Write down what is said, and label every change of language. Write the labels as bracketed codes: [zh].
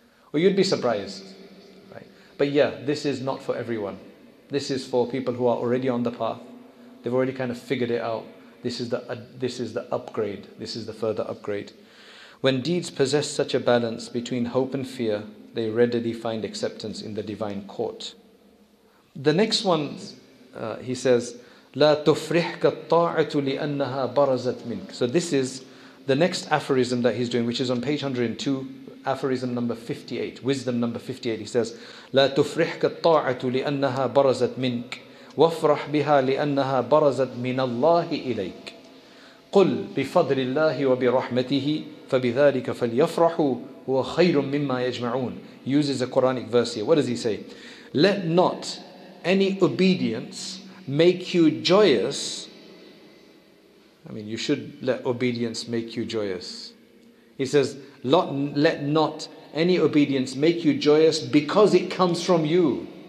[en] Well, you'd be surprised, right? But yeah, this is not for everyone. This is for people who are already on the path. They've already kind of figured it out. This is the upgrade. This is the further upgrade. When deeds possess such a balance between hope and fear, they readily find acceptance in the divine court. The next one, he says, [ar] لا تفرحك الطاعة لأنها برزت منك. [en] So this is the next aphorism that he's doing, which is on page 102, aphorism number 58, wisdom number 58. He says, [ar] لا تفرحك الطاعة لأنها برزت منك وفرح بها لأنها برزت من الله إليك قل بفضل الله وبرحمته فبذلك فليفرحوا هو خير مما يجمعون. [en] He uses a Quranic verse here. What does he say? Let not any obedience make you joyous. I mean, you should let obedience make you joyous. He says, let not any obedience make you joyous because it comes from you.